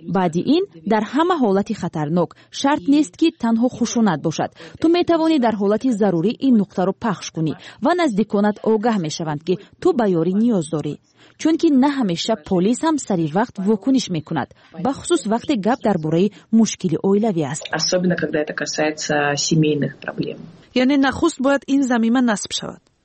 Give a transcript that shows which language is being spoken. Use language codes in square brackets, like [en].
[fa] بعد این در همه حالتی خطرناک، شرط نیست که تنها خشونت باشد. تو میتوانی در حالتی ضروری این نقطه را پخش کنی و نزدیکانت آگاه میشوند که تو به یاری نیاز داری. چون که نه همیشه پلیس هم سری وقت واکنش میکند، به خصوص وقتی گپ درباره مشکل اویلوی است. [ru] особенно когда это касается семейных проблем. [fa] یعنی نخست باید این زمینه نصب شود.